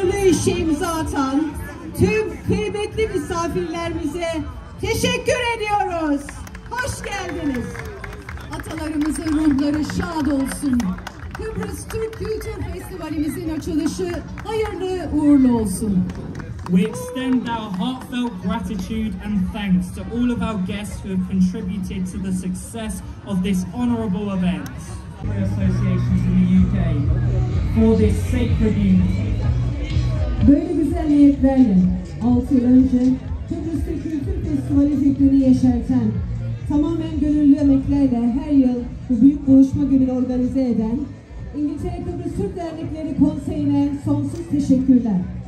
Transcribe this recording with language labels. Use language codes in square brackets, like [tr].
[tr] işe imza atan tüm kıymetli misafirlerimize teşekkür ediyoruz. Hoş geldiniz. Atalarımızın ruhları şad olsun. Kıbrıs Türk Kültür Festivalimizin açılışı hayırlı uğurlu olsun. [en] We extend our heartfelt gratitude and thanks to all of our guests who have contributed to the success of this honourable event. Associations in the UK for this sacred unity. [tr] Böyle güzel niyetlerle 6 yıl önce Kıbrıs Türk Kültür Festivali fikrini yeşerten, tamamen gönüllü emeklerle her yıl bu büyük buluşma gününü organize eden İngiltere Kıbrıs Türk Dernekleri Konseyi'ne sonsuz teşekkürler.